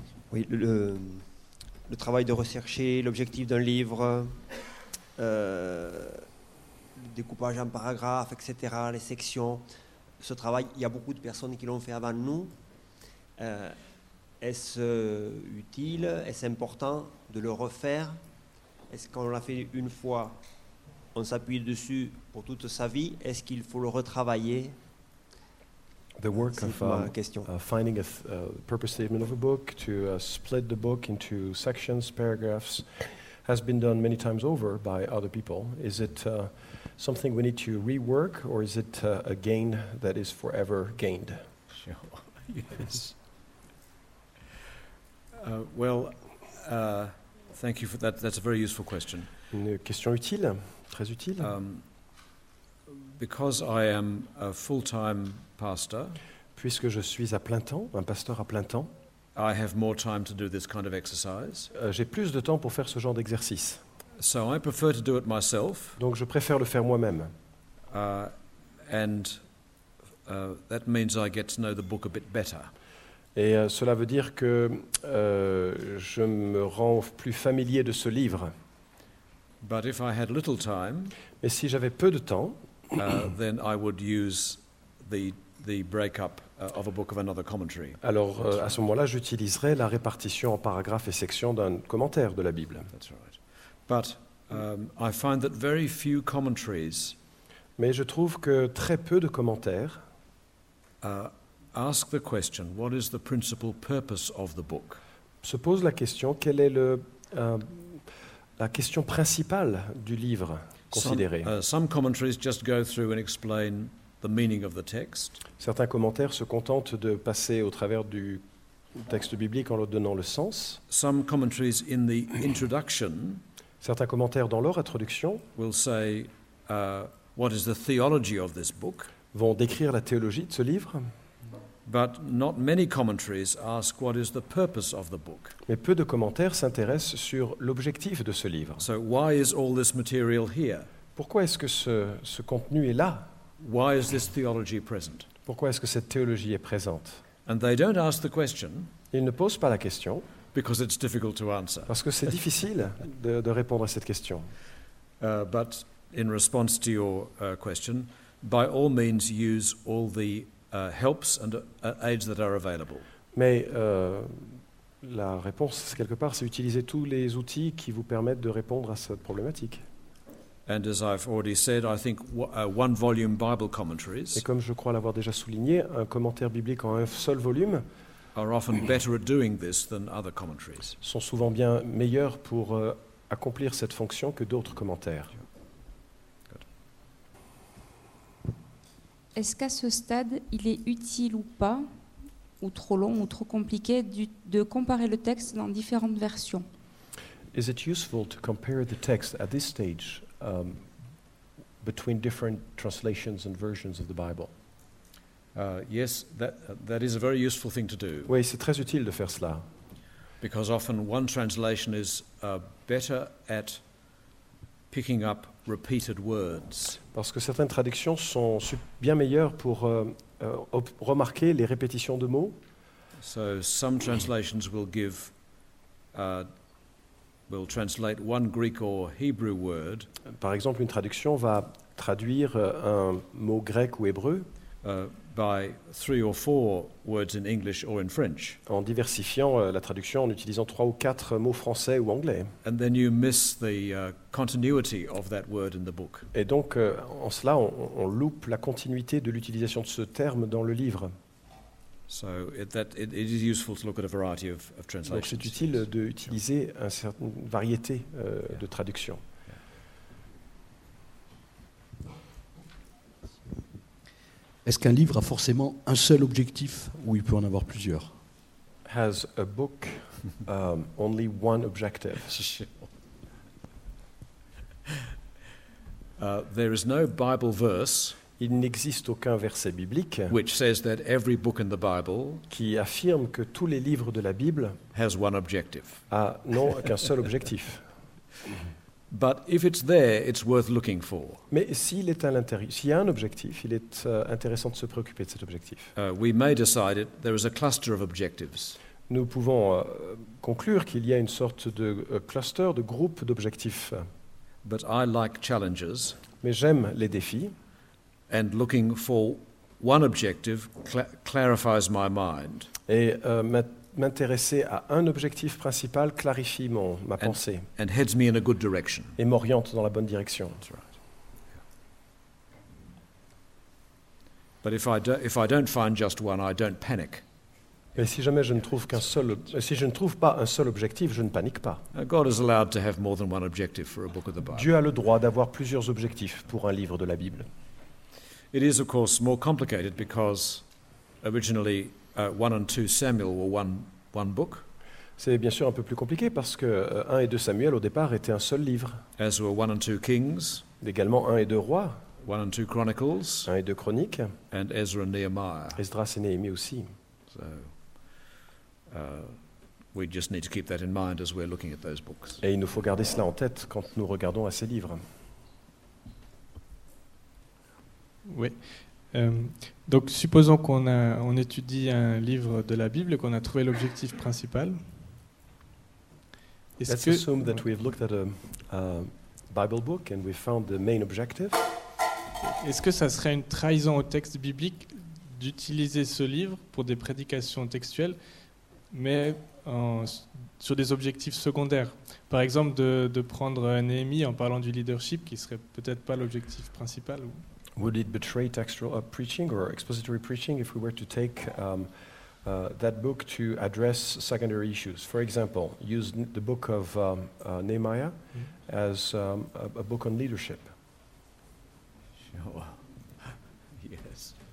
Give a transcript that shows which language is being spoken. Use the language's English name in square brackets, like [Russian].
[French] Oui, le travail de rechercher, l'objectif d'un livre, découpage en paragraphes, etc., les sections. Ce travail, il y a beaucoup de personnes qui l'ont fait avant nous. Est-ce utile? Est-ce important de le refaire? Est-ce qu'on l'a fait une fois, on s'appuie dessus pour toute sa vie? Est-ce qu'il faut le retravailler? [English] The work of finding a purpose statement of a book, to split the book into sections, paragraphs, has been done many times over by other people. Is it something we need to rework, or is it a gain that is forever gained? Sure. Yes. Thank you for that. That's a very useful question. [French] Une question utile, très utile. [English] Because I am a full-time pastor. [French] Puisque je suis à plein temps, un pasteur à plein temps. [English] I have more time to do this kind of exercise. [French] J'ai plus de temps pour faire ce genre d'exercice. [English] So I prefer to do it myself. [French] Donc je préfère le faire moi-même. [English] That means I get to know the book a bit better. [French] Et cela veut dire que je me rends plus familier de ce livre. [English] But if I had little time, [French] mais si j'avais peu de temps, [English] then I would use the breakup of a book of another commentary. [French] Alors à ce moment-là, j'utiliserai la répartition en paragraphes et sections d'un commentaire de la Bible. [English] That's right. But I find that very few commentaries. [French] Mais je trouve que très peu de commentaires. [English] Ask the question: what is the principal purpose of the book? [French] Se pose la question: quelle est la question principale du livre considéré? [English] Some commentaries just go through and explain the meaning of the text. [French] Certains commentaires se contentent de passer au travers du texte biblique en leur donnant le sens. [English] Some commentaries in the introduction. [French] Certains commentaires dans leur introduction [English] will say, what is the theology of this book? [French] Vont décrire la théologie de ce livre. [English] But not many commentaries ask what is the purpose of the book. [French] Mais peu de commentaires s'intéressent sur l'objectif de ce livre. [English] So why is all this material here? [French] Pourquoi est-ce que ce contenu est là? [English] Why is this theology present? [French] Pourquoi est-ce que cette théologie est présente? [English] And they don't ask the question. [French] Ils ne posent pas la question. [English] Because it's difficult to answer. [French] Parce que c'est difficile de répondre à cette question. [English] But in response to your question, by all means use all the helps and aids that are available. [French] Mais la réponse, quelque part, c'est utiliser tous les outils qui vous permettent de répondre à cette problématique. [English] And as I've already said, I think one volume Bible commentaries. [French] Et comme je crois l'avoir déjà souligné, un commentaire biblique en un seul volume [English] are often better at doing this than other commentaries. [French] Sont souvent bien meilleurs pour accomplir cette fonction que d'autres commentaires. [English] Good. [French] Est-ce qu'à ce stade, il est utile ou pas, ou trop long ou trop compliqué de comparer le texte dans différentes versions. [English] Is it useful to compare the text at this stage between different translations and versions of the Bible? Yes, that is a very useful thing to do. [French] Oui, c'est très utile de faire cela. [English] Because often one translation is better at picking up repeated words. [French] Parce que certaines traductions sont bien meilleures pour remarquer les répétitions de mots. [English] So some translations will give will translate one Greek or Hebrew word. [French] Par exemple, une traduction va traduire un mot grec ou hébreu [English] by three or four words in English or in French. [French] En diversifiant la traduction en utilisant trois ou quatre mots français ou anglais. [English] And then you miss the continuity of that word in the book. [French] Et donc en cela on loupe la continuité de l'utilisation de ce terme dans le livre. [English] So it is useful to look at a variety of translations. [French] Donc c'est utile d'utiliser une certaine variété de traductions. Est-ce qu'un livre a forcément un seul objectif ou il peut en avoir plusieurs? [English] Has a book only one objective? There is no Bible verse. [French] Il n'existe aucun verset biblique [English] which says that every book in the Bible [French] qui affirme que tous les livres de la Bible [English] has one objective. [French] N'ont qu'un seul objectif. [English] But if it's there, it's worth looking for. [French] Mais s'il est à l'intérieur, s'il y a un objectif, il est intéressant de se préoccuper de cet objectif. [English] We may decide it. There is a cluster of objectives. [French] Nous pouvons conclure qu'il y a une sorte de cluster, de groupe d'objectifs. [English] But I like challenges. [French] Mais j'aime les défis. [English] And looking for one objective clarifies my mind. [French] Et m'intéresser à un objectif principal clarifie ma pensée [English] and heads me in a good direction. [French] Et m'oriente dans la bonne direction. [English] That's right. But if I don't find just one, I don't panic. [French] Mais si jamais je ne trouve pas un seul objectif, je ne panique pas. [English] God is allowed to have more than one objective for a book of the Bible. [French] Dieu a le droit d'avoir plusieurs objectifs pour un livre de la Bible. [English] It is of course more complicated because originally 1 and 2 Samuel were one book. [French] C'est bien sûr un peu plus compliqué parce que 1 et 2 Samuel au départ étaient un seul livre. [English] As were 1 and 2 Kings. [French] Également 1 et 2 Rois. [English] 1 and 2 Chronicles. [French] 1 et 2 Chroniques. [English] And Ezra and Nehemiah. [French] Esdras et Néhémie aussi. [English] So we just need to keep that in mind as we're looking at those books. [French] Et il nous faut garder cela en tête quand nous regardons à ces livres. Oui. Donc, supposons qu'on étudie un livre de la Bible et qu'on a trouvé l'objectif principal. [English] Assume that we've looked at a Bible book and we found the main objective. [French] Est-ce que ça serait une trahison au texte biblique d'utiliser ce livre pour des prédications textuelles, mais sur des objectifs secondaires? Par exemple, de prendre Néhémie en parlant du leadership, qui serait peut-être pas l'objectif principal. [English] Would it betray textual preaching or expository preaching if we were to take that book to address secondary issues? For example, use the book of Nehemiah as a book on leadership. Sure. Yes.